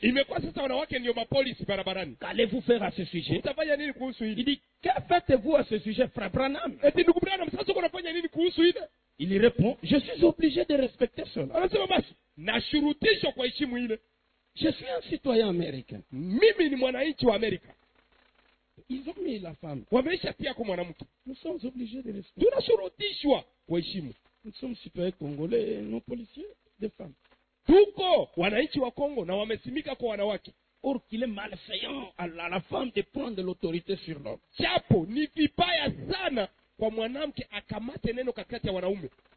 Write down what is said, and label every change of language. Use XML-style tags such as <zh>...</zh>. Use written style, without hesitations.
<sw>Imekuwa sasa wanawake ndio mapolisi barabarani.</sw> <fr>Qu'allez-vous faire à ce sujet?</fr> <sw>Utafanya nini kuhusu hili?</sw> <fr>Il dit que faites-vous à ce sujet, frère Branham? Et tu</fr> <sw>ndugu Branham, sasa uko unafanya nini kuhusu hili?</sw> <fr>Il répond, je suis obligé de respecter cela.</fr> <sw>Anasema basi, nashurutishwa kwa heshima ile.</sw> <fr>Je suis un citoyen américain.</fr> <sw>Mimi ni mwananchi wa Amerika.</sw> <fr>Ils ont mis la femme.</fr> <sw>Wamesha pia kwa mwanamke.</sw> <fr>Nous sommes obligés de respecter.</fr> <sw>Tunashurutishwa kwa heshima.</sw> <fr>Nous sommes citoyens congolais et nos policiers des femmes.</fr> <sw>Tuko, wanaichi wa Congo na wamesimika kwa wanawake.</sw> <fr>Or qu'il est malfaisant à la femme de prendre l'autorité sur l'homme.</fr> <sw>Chapo, ni vibaya sana kwa mwanamke akamate neno katikati ya wanaume.</sw>